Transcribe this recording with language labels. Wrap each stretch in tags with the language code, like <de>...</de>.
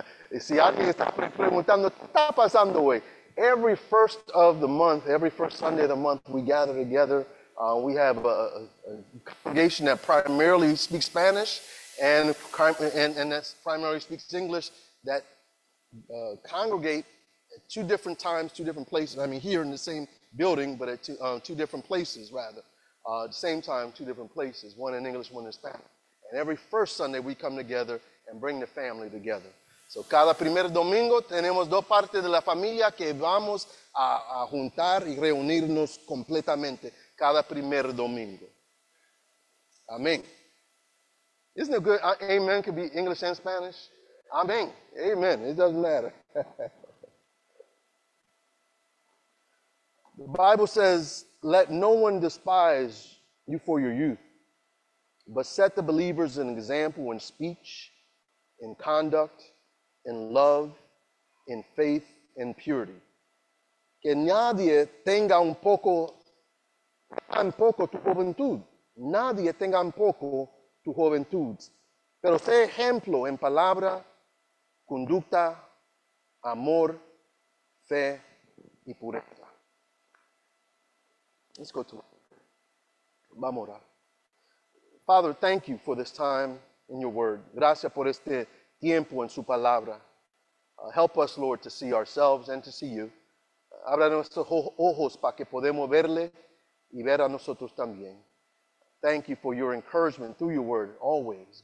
<es>Y si alguien está preguntando, ¿qué está pasando hoy?</es> <en>Every first of the month, every first Sunday of the month, we gather together. We have a congregation that primarily speaks Spanish and that primarily speaks English that congregate at two different times, two different places. I mean, here in the same building, but at two different places, rather. The same time, two different places, one in English, one in Spanish. And every first Sunday, we come together and bring the family together.</en> <es>So, cada primer domingo tenemos dos partes de la familia que vamos a juntar y reunirnos completamente cada primer domingo.</es> <en>Amén. Isn't it good? Amen could be English and Spanish. Amén. Amen. It doesn't matter. The Bible says, let no one despise you for your youth, but set the believers an example in speech, in conduct, in love, in faith, in purity.</en> <es>Que nadie tenga un poco tu juventud. Nadie tenga un poco tu juventud. Pero sé ejemplo en palabra, conducta, amor, fe y pureza.</es> <en>Let's go to it.</en> <es>Vamos a orar.</es> <en>Father, thank you for this time in your word.</en> <es>Gracias por este tiempo en su palabra.</es> <en>Help us, Lord, to see ourselves and to see you.</en> <es>Abra nuestros ojos para que podamos verle y ver a nosotros también.</es> <en>Thank you for your encouragement through your word, always.</en>